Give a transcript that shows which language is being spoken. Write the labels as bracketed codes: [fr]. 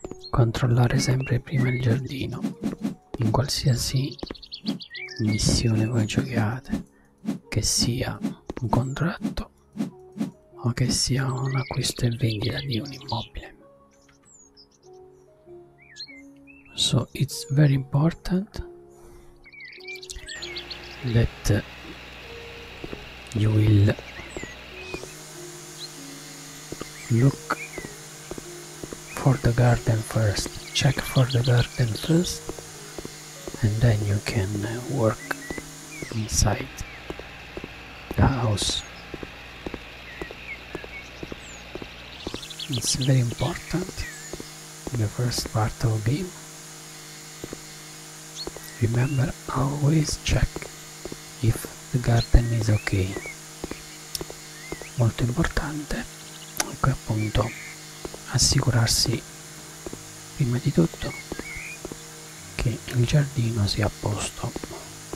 [it] Controllare sempre prima il giardino in qualsiasi missione voi giochiate, che sia un contratto o che sia un acquisto e vendita di un immobile. [en] So it's very important that you will look for the garden first, check for the garden first, and then you can work inside the house. It's very important, the first part of the game. Remember, always check if the garden is okay. [it] Molto importante, anche appunto, assicurarsi prima di tutto che il giardino sia a posto.